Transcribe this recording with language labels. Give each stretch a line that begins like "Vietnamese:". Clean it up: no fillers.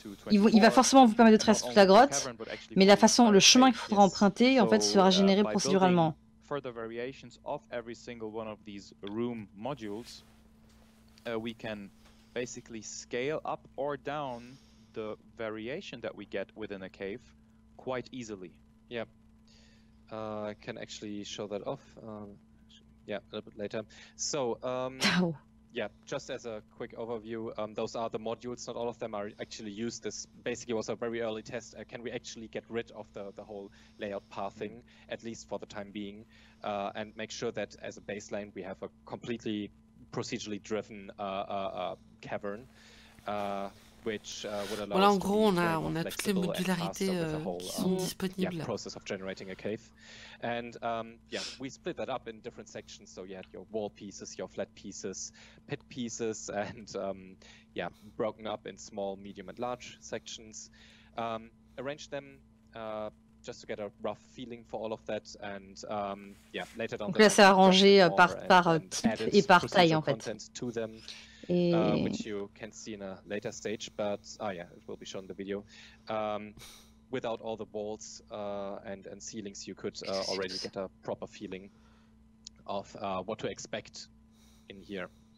French: Il va forcément vous permettre de traverser toute la grotte, mais la façon, le chemin qu'il faudra emprunter, en fait, sera généré procéduralement.
English: Further variations of every single one of these room modules, we can basically scale up or down the variation that we get within a cave quite easily. Yep. I can actually show that off. A little bit later. So, just as a quick overview, those are the modules. Not all of them are actually used. This basically was a very early test. Can we actually get rid of the whole layout pathing, at least for the time being, and make sure that as a baseline we have a completely procedurally driven cavern.
French: Voilà, en gros, on a toutes les modularités qui sont disponibles.
English: Process of generating a cave, and we split that up in different sections. So you had your wall pieces, your flat pieces, pit pieces, and broken up in small, medium, and large sections. Arranged them just to get a rough feeling for all of that, and later on.
French: Donc là, c'est arrangé par type et par taille, en fait.
English: Which you can see in a later stage, but it will be shown in the video. Without all the walls and ceilings, you could already get a proper feeling of what to expect in here.